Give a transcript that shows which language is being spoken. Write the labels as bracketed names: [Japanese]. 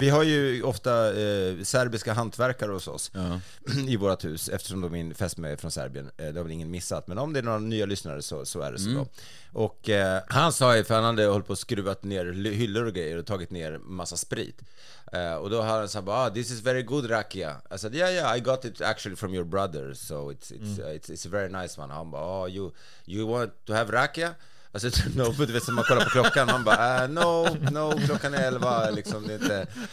[Swedish] Vi har ju ofta serbiska hantverkare hos oss i vårt hus, eftersom min fästmö är från Serbien. Det har väl ingen missat, men om det är några nya lyssnare så är det så. Mm. Och han sa ju, för han hade hållit på och skruvat ner hyllor och grejer och tagit ner massa sprit. Och då har han sagt, [English] this is very good rakia. I said, yeah, I got it actually from your brother, so it's a very nice one. [Swedish] Han bara, [English] you want to have rakia? I said, no, but [Swedish] vet du, man kollar på klockan. Han bara, no, klockan är 11 liksom, det är inte.